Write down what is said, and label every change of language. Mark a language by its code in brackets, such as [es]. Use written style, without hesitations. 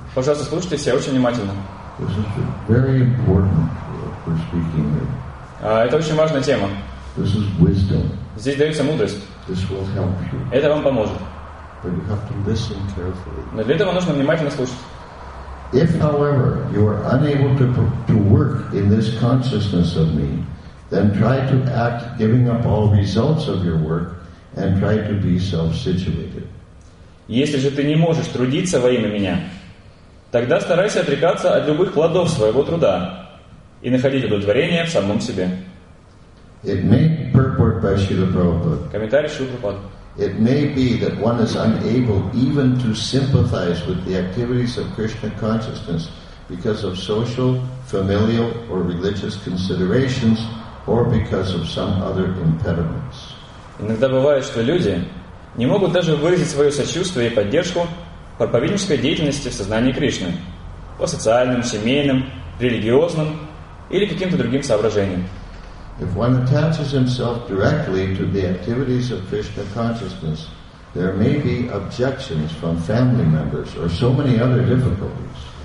[ru] Пожалуйста, слушайте все очень внимательно. [en] This is very important for speaking here. [ru] Это очень важная тема. [en] This is wisdom. [ru] Здесь дается мудрость. [en] This will help you. [ru] Это вам поможет. [en] But you have to listen carefully. [ru] Но для этого нужно внимательно слушать. [en] If, however, you are unable to work in this consciousness of me, then try to act, giving up all results of your work, and try to be self-situated. [ru] Если же ты не можешь трудиться во имя меня, тогда старайся отрекаться от любых плодов своего труда и находить удовлетворение в самом себе. [en] It may purport by Śrīla Prabhupāda. [ru] Комментарий Шрилы Прабхупады. [en] It may be that one is unable even to sympathize with the activities of Krishna consciousness because of social, familial, or religious considerations, or because of some other impediments. [ru] Иногда бывает, что люди не могут даже выразить свое сочувствие и поддержку проповеднической деятельности в сознании Кришны по социальным, семейным, религиозным или каким-то другим соображениям. [en] If one attaches himself directly to the activities of Krishna consciousness, there may be objections from family members or so many other difficulties.